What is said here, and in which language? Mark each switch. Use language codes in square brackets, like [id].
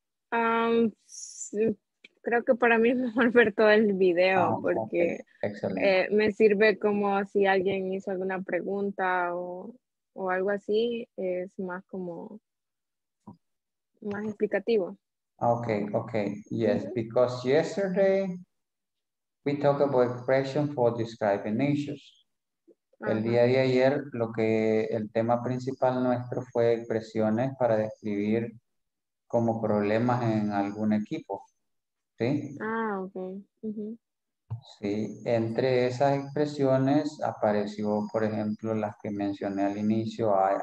[es] Creo que para mí es mejor ver todo el video, porque [en] okay. [es] Me sirve como si alguien hizo alguna pregunta o algo así, es más como más explicativo. [en] Okay, yes, mm-hmm. Because yesterday we talked about expression for describing issues. Uh-huh. [es] El día de ayer, el tema principal nuestro fue expresiones para describir como problemas en algún equipo. ¿Sí? [en] Okay. [es] Sí, entre esas expresiones apareció, por ejemplo, las que mencioné al inicio.